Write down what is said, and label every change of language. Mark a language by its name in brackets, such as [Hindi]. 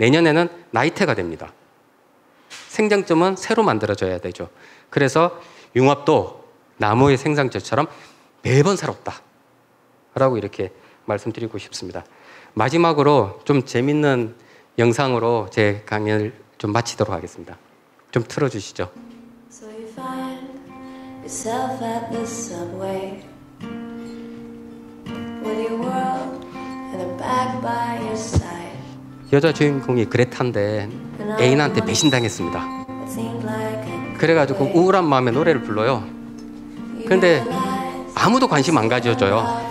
[Korean] 내년에는 나이테가 됩니다. 생장점은 새로 만들어져야 되죠. 그래서 융합도 나무의 생장점처럼 매번 새롭다 라고 이렇게 말씀드리고 싶습니다. 마지막으로 좀 재밌는 영상으로 제 강연을 좀 마치도록 하겠습니다. 좀 틀어주시죠. [English] So you find yourself at the subway with your world and a bag by your side. [Korean] 여자 주인공이 그레타인데 애인한테 배신당했습니다. 그래가지고 우울한 마음에 노래를 불러요. 그런데 아무도 관심 안 가져줘요.